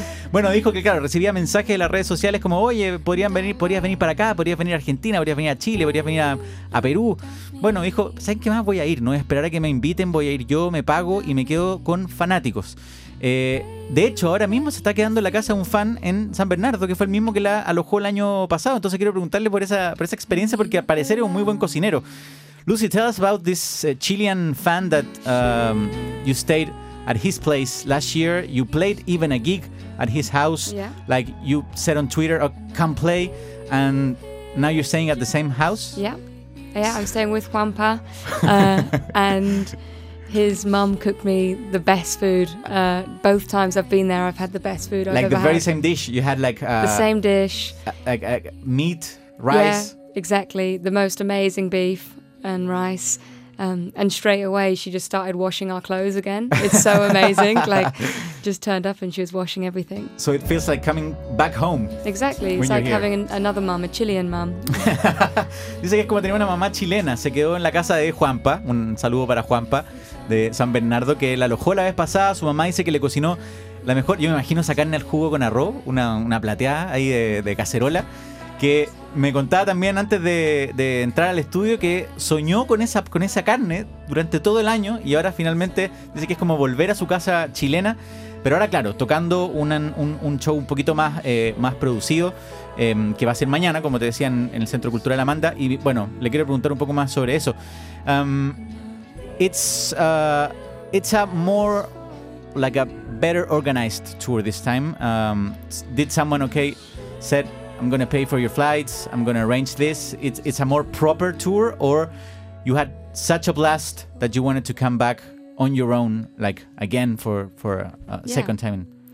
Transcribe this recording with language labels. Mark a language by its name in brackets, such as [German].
[Spanish] Bueno, dijo que claro, recibía mensajes de las redes sociales como, oye, podrías venir para acá, podrías venir a Argentina, podrías venir a Chile, podrías venir a Perú. Bueno, dijo, ¿saben qué más? Voy a ir, no voy a esperar a que me inviten, voy a ir yo, me pago y me quedo con fanáticos. De hecho, ahora mismo se está quedando en la casa un fan en San Bernardo, que fue el mismo que la alojó el año pasado. Entonces quiero preguntarle por esa experiencia, porque al parecer es un muy buen cocinero. [English] Lucy, tell us about this Chilean fan that you stayed at his place last year. You played even a gig at his house. Yeah. Like, you said on Twitter, oh, come play, and now you're staying at the same house? Yeah. Yeah, I'm staying with Juanpa, and his mum cooked me the best food. Both times I've been there, I've had the best food like I've ever had. Like, the very same dish? You had, like... The same dish. Like, meat, rice? Yeah, exactly. The most amazing beef and rice. And straight away, she just started washing our clothes again. It's so amazing. Like, just turned up and she was washing everything. So it feels like coming back home. Exactly. It's like having another mom, a Chilean mom. [Spanish] Dice que es como tener una mamá chilena. Se quedó en la casa de Juanpa. Un saludo para Juanpa de San Bernardo, que la alojó la vez pasada. Su mamá dice que le cocinó la mejor, yo me imagino, esa carne al jugo con arroz, una plateada ahí de cacerola. Que me contaba también antes de entrar al estudio que soñó con esa carne durante todo el año, y ahora finalmente dice que es como volver a su casa chilena, pero ahora claro, tocando un show un poquito más, más producido, que va a ser mañana, como te decía, en el Centro Cultural Amanda. Y bueno, le quiero preguntar un poco más sobre eso. [English] It's a more like a better organized tour this time. Did someone said I'm going to pay for your flights, I'm going to arrange this. It's a more proper tour, or you had such a blast that you wanted to come back on your own, like again for a second time?